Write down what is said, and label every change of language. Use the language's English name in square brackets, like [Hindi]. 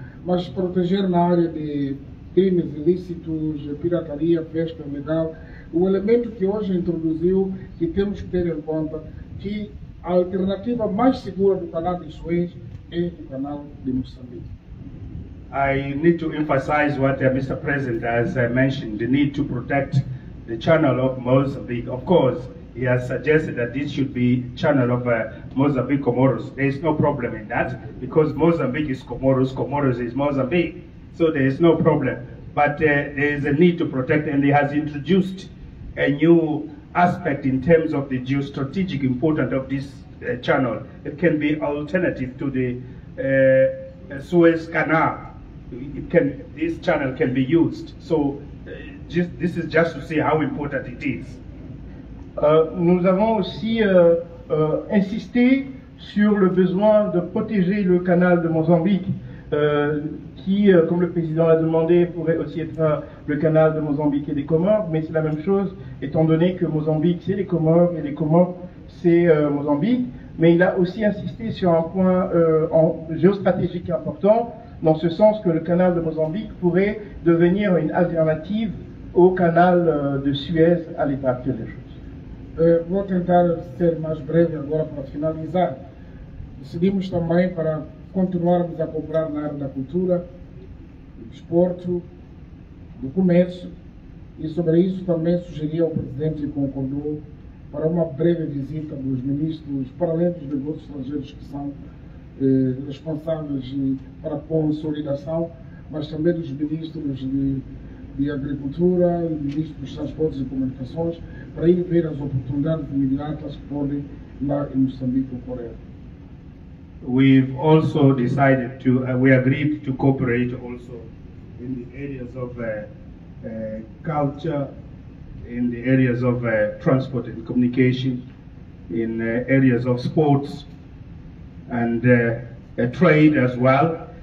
[Portuguese] Mas proteger na área de crimes ilícitos, pirataria, pesca ilegal, o elemento que hoje introduziu, que temos que ter em conta, que a alternativa mais segura do canal de Suez é o canal de Moçambique. [English] I need to emphasize what Mr. President has mentioned, the need to protect the channel of Mozambique. Of course, he has suggested that this should be channel of Mozambique Comoros. There is no problem in that, because Mozambique is Comoros, Comoros is Mozambique. So there is no problem. But there is a need to protect, and he has introduced a new aspect in terms of the geostrategic importance of this channel. It can be alternative to the Suez Canal. This channel can be used. So this is just to see how important it is. [French] Nous avons aussi insisté sur le besoin de protéger le canal de Mozambique, qui, comme le président l'a demandé, pourrait aussi être le canal de Mozambique et des Comores, mais c'est la même chose, étant donné que Mozambique, c'est les Comores, et les Comores, c'est Mozambique. Mais il a aussi insisté sur un point géostratégique important, dans ce sens que le canal de Mozambique pourrait devenir une alternative au canal de Suez à l'état actuel des choses. [Portuguese] Vou tentar ser mais breve agora para finalizar. Decidimos também para continuarmos a cooperar na área da cultura, do esporte, do comércio, e sobre isso também sugeri ao presidente e concordou para uma breve visita dos ministros, para além dos negócios estrangeiros que são responsáveis para consolidação, mas também dos ministros de Agricultura, ministros dos Transportes e Comunicações, para ir ver as oportunidades imediatas que podem lá em Moçambique ocorrer. [English] We've also decided to, we agreed to cooperate also in the areas of culture, in the areas of transport and communication, in areas of sports, and trade as well.